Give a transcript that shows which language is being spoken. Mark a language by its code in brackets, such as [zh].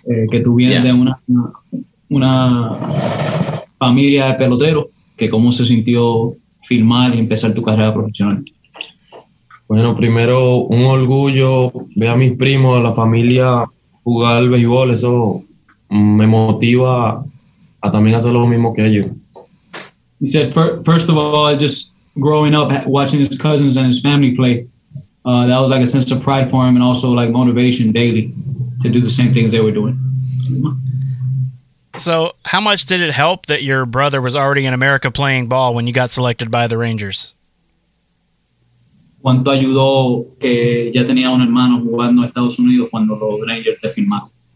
[es] Que tú vienes de una familia de peloteros. Que cómo se sintió firmar y empezar tu carrera profesional. Bueno, primero un orgullo ver a mis primos, a la familia jugar al béisbol. Eso me motiva a también hacer lo mismo que ellos. [en] He said, first of all, just growing up watching his cousins and his family play, that was like a sense of pride for him and also like motivation daily to do the same things they were doing. So, how much did it help that your brother was already in America playing ball when you got selected by the Rangers? [es] ¿Cuánto ayudó que ya tenía un hermano jugando en Estados Unidos cuando los Rangers te firmaron?